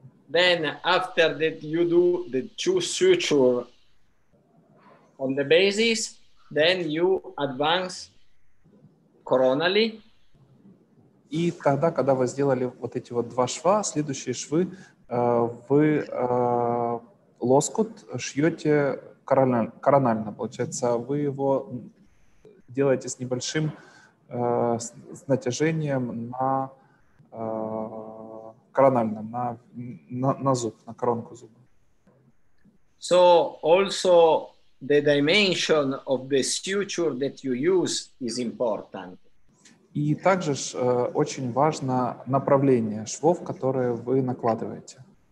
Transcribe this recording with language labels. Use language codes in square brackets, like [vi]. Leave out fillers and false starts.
[en] Then after that you do the two suture on the basis, then you advance coronally. [ru] И тогда, когда вы сделали вот эти вот два шва, следующие швы, вы лоскут шьете коронально, получается, вы его делаете с небольшим с натяжением на коронально, на зуб, на коронку зуба. [en] So also the dimension of the suture that you use is important. [ru] И также очень важно направление швов, которые вы накладываете.